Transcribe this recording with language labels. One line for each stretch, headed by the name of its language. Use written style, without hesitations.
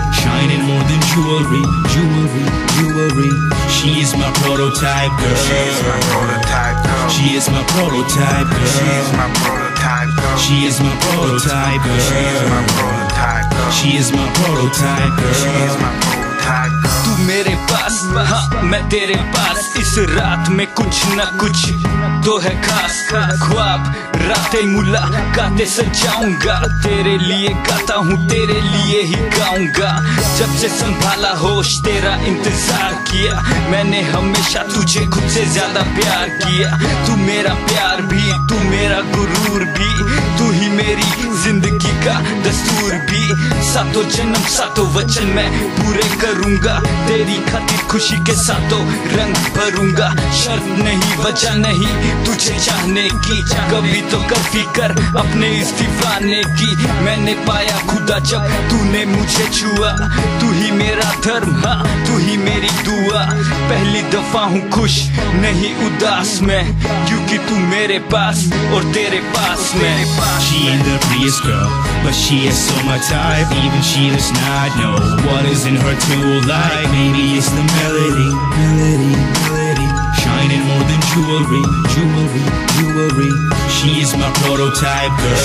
English: shining more than jewelry, jewelry, jewelry. She is my prototype girl. She is my prototype girl. She is my prototype girl. She is my prototype girl. She is my prototype girl. She is my prototype girl. She is my prototype girl. She is my prototype girl.
Hindi: मेरे पास हाँ मैं तेरे पास. इस रात में कुछ न कुछ तो है खास. ख्वाब रातें मुला गाते सजाऊंगा तेरे लिए. गाता हूँ तेरे लिए ही गाऊंगा. जब से संभाला होश तेरा इंतजार किया मैंने हमेशा तुझे खुद से ज्यादा प्यार किया. तू मेरा प्यार भी तू मेरा गुरूर भी. तू ही मेरी जिंदगी का दस्तूर भी. सातों जन्म सातों वचन मैं पूरे करूंगा. तेरी खातिर खुशी के सातों रंग भरूंगा. शर्त नहीं वजह नहीं तुझे चाहने की. कभी तो कर फिकर अपने इस दीवाने की. मैंने पाया खुदा जब तूने मुझे छुआ. तू ही मेरा धर्म हाँ तू ही मेरी दुआ. पहली दफा हूँ खुश नहीं उदास मैं क्योंकि तू मेरे पास और तेरे पास मैं.
English: She ain't the prettiest girl, but she has so much type. Even she does not know what is in her tool like. Maybe it's the melody, melody, melody, shining more than jewelry, jewelry, jewelry. She is my prototype girl.